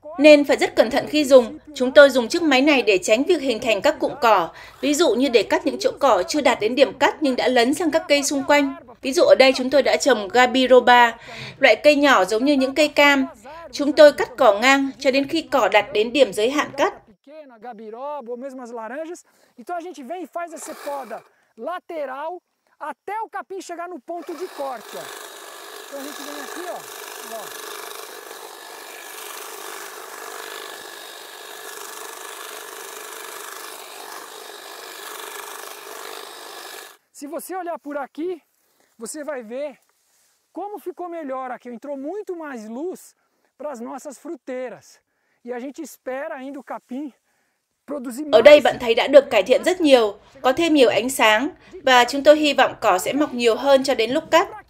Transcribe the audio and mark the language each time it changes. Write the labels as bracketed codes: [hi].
[vi] Nên phải rất cẩn thận khi dùng. Chúng tôi dùng chiếc máy này để tránh việc hình thành các cụm cỏ, ví dụ như để cắt những chỗ cỏ chưa đạt đến điểm cắt nhưng đã lấn sang các cây xung quanh. Ví dụ ở đây chúng tôi đã trồng gabiroba, loại cây nhỏ giống như những cây cam. Chúng tôi cắt cỏ ngang cho đến khi cỏ đạt đến điểm giới hạn cắt. [pt] Gabiroba, ou mesmo as laranjas. Então a gente vem e faz essa poda lateral até o capim chegar no ponto de corte. Ó. Então a gente vem aqui, ó. Se você olhar por aqui, você vai ver como ficou melhor aqui. Entrou muito mais luz para as nossas fruteiras. E a gente espera ainda o capim. [vi] Ở đây bạn thấy đã được cải thiện rất nhiều, có thêm nhiều ánh sáng và chúng tôi hy vọng cỏ sẽ mọc nhiều hơn cho đến lúc cắt.